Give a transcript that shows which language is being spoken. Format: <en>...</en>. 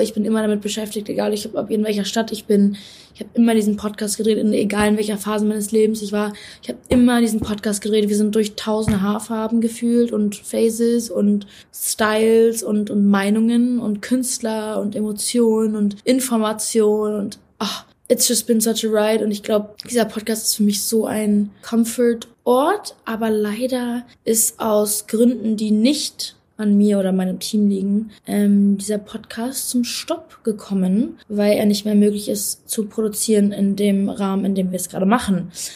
<de>Ich bin immer damit beschäftigt, egal ich ob in welcher Stadt ich bin. Ich habe immer diesen Podcast gedreht, egal in welcher Phase meines Lebens ich war. Ich habe immer diesen Podcast gedreht. Wir sind durch 1000 Haarfarben gefühlt und Phases und Styles und Meinungen und Künstler und Emotionen und Informationen.</de> <en>Und oh, it's just been such a ride.</en> <de>Und ich glaube, dieser Podcast ist für mich so ein Comfort-Ort. Aber leider ist aus Gründen, die nicht an mir oder meinem Team liegen, dieser Podcast zum Stopp gekommen, weil er nicht mehr möglich ist zu produzieren in dem Rahmen, in dem wir es gerade machen.</de>